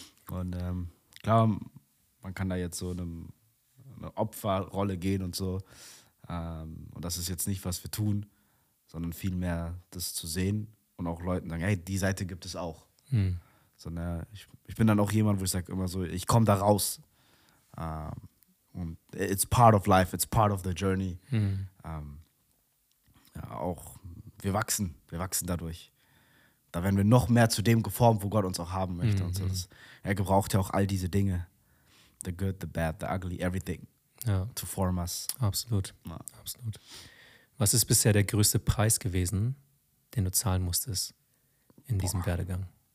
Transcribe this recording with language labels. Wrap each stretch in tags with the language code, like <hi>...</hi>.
<de>Und klar, man kann da jetzt so eine Opferrolle gehen und so. Und das ist jetzt nicht, was wir tun, sondern vielmehr das zu sehen und auch Leuten sagen, hey, die Seite gibt es auch. Sondern ich bin dann auch jemand, wo ich sage immer so, ich komme da raus.</de> <en>Und it's part of life, it's part of the journey.</en> <de>Ja, auch wir wachsen dadurch. Da werden wir noch mehr zu dem geformt, wo Gott uns auch haben möchte. Und so. Er gebraucht ja auch all diese Dinge.</de> <en>The good, the bad, the ugly, everything.</en> <de>Ja.</de> <en>To form us.</en> <de>Absolut. Ja. Absolut. Was ist bisher der größte Preis gewesen, den du zahlen musstest in diesem Werdegang?</de>